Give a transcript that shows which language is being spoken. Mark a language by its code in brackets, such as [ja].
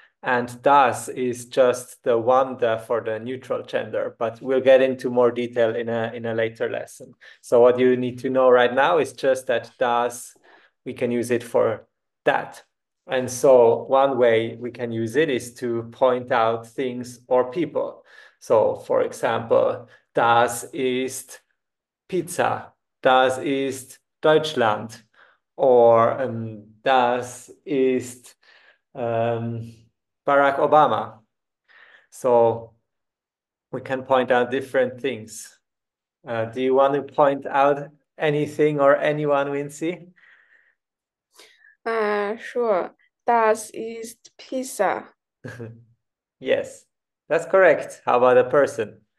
[en] And das is just the one da for the neutral gender. But we'll get into more detail in a later lesson. So what you need to know right now is just that das, we can use it for that. And so one way we can use it is to point out things or people. So, for example, [de] das ist Pizza, das ist Deutschland, [en] or [de] das ist Barack Obama. [en] So, we can point out different things. Do you want to point out anything or anyone, Vincie? Sure. [de] Das ist Pizza. [en] Yes. That's correct. How about a person?